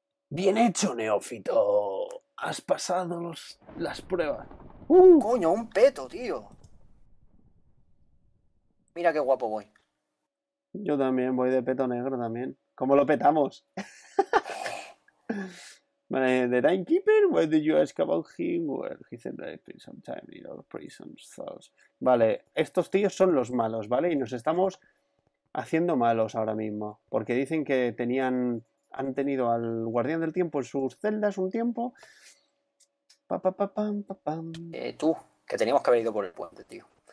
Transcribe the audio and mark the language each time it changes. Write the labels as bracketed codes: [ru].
[es] Bien hecho, neófito. Has pasado las pruebas. Coño, un peto, tío. Mira qué guapo voy. Yo también voy de peto negro también. ¿Cómo lo petamos? [en] The Timekeeper, why did you ask about him? Well, he said that he spent some time in our prison cells. [es] Vale, estos tíos son los malos, ¿vale? Y nos estamos haciendo malos ahora mismo, porque dicen que han tenido al guardián del tiempo en sus celdas un tiempo. Pa, pa, pa, pam, pa, pam. Tú, que teníamos que haber ido por el puente, tío.